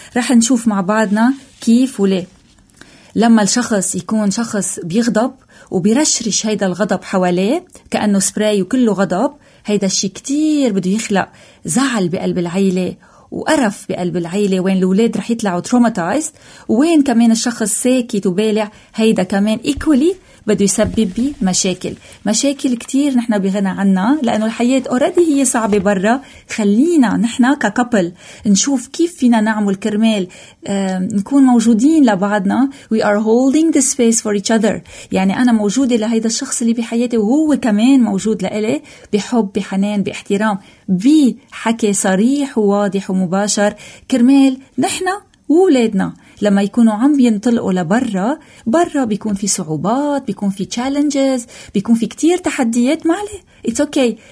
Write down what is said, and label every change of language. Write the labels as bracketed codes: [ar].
[ar] رح نشوف مع بعضنا كيف وليه. لما الشخص يكون شخص بيغضب وبيرشرش هيدا الغضب حواليه كأنه سبراي وكله غضب، هيدا الشي كتير بده يخلق زعل بقلب العيلة وقرف بقلب العيلة، وين الولاد رح يطلعوا تروماتايزد، وين كمان الشخص ساكت وبالع، هيدا كمان إيكولي بده يسبب بي مشاكل كتير نحنا بغنى عنها، لأنه الحياة أوردي هي صعبة برا. خلينا نحنا ككابل نشوف كيف فينا نعمل كرمال نكون موجودين لبعضنا. [en] We are holding the space for each other. [ar] يعني أنا موجودة لهيدا الشخص اللي بحياتي، وهو كمان موجود لإلي بحب بحنان باحترام بحكي صريح وواضح ومباشر، كرمال نحنا وولادنا لما يكونوا عم بينطلقوا لبرا. برا بيكون في صعوبات، بيكون في challenges، بيكون في كتير تحديات، معلي [en] it's okay.